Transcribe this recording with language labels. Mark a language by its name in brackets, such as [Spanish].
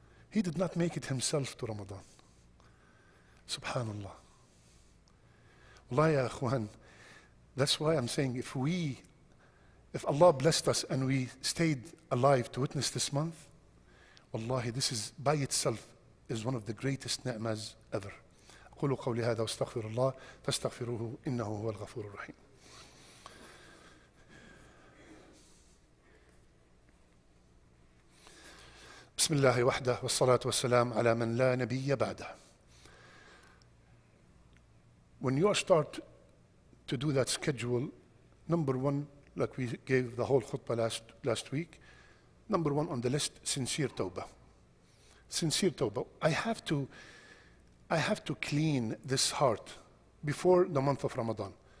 [English] He did not make it himself to Ramadan. Subhanallah. Wallahi ya akhwan, that's why I'm saying if Allah blessed us and we stayed alive to witness this month, wallahi, this is by itself is one of the greatest ni'mas ever. [Arabic] قولوا قولي هذا واستغفر الله فاستغفروه إنه هو الغفور الرحيم. بسم الله وحده والصلاة والسلام على من لا نبي بعده. [English] When you start to do that schedule, number one, like we gave the whole khutbah last week, number one on the list, sincere tawbah. Sincere tawbah. I have to clean this heart before the month of Ramadan.